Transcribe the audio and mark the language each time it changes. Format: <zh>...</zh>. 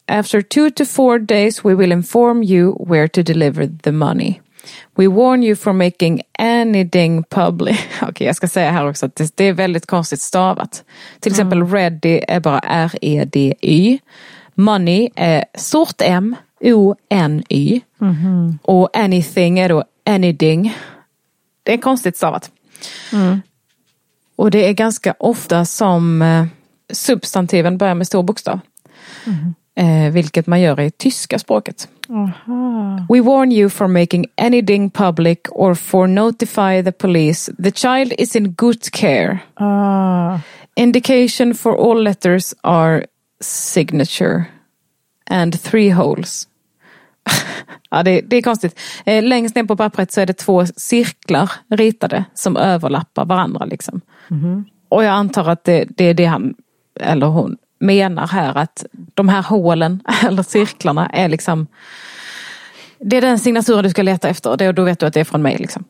<en>After 2 to 4 days we will inform you where to deliver the money. We warn you for making anything public.</en> <sv>Okej, jag ska säga här också att det är väldigt konstigt stavat. Till exempel ready är bara R-E-D-Y. Money är stort M-O-N-Y. Mm-hmm. Och anything är då anything. Det är konstigt stavat. Mm. Och det är ganska ofta som substantiven börjar med stor bokstav. Vilket man gör i tyska språket. Aha.</sv> <en>We warn you for making anything public or for notify the police. The child is in good care. Indication for all letters are signature and 3 holes.</en> <sv>Ja, det är konstigt. Längst ner på pappret så är det 2 cirklar ritade som överlappar varandra. Liksom. Mm-hmm. Och jag antar att det är det han eller hon menar här, att de här hålen eller cirklarna är liksom, det är den signaturen du ska leta efter, och då vet du att det är från mig liksom.</sv>